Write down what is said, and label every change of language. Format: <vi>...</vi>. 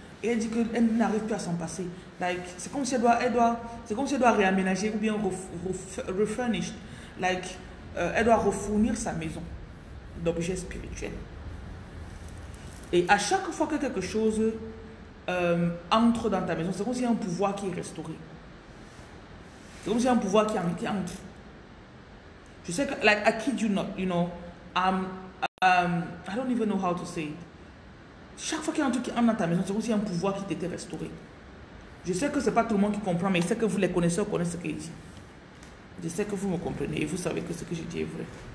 <fr>Et elle dit qu'elle n'arrive plus à s'en passer. Like, c'est comme si elle doit réaménager ou bien</fr> <en>refurnish.</en> <fr>Like, elle doit refournir sa maison d'objets spirituels. Et à chaque fois que quelque chose entre dans ta maison, c'est comme s'il y a un pouvoir qui est restauré. C'est comme s'il y a un pouvoir qui entre. Je sais que,</fr> <en>like, I kid you not, you know, I don't even know how to say it.</en> <fr>Chaque fois qu'il y a un truc qui entre dans ta maison, c'est comme s'il y a un pouvoir qui t'était restauré. Je sais que ce n'est pas tout le monde qui comprend, mais je sais que vous les connaisseurs connaissent ce qu'il dit. Je sais que vous me comprenez et vous savez que ce que je dis est vrai.</fr>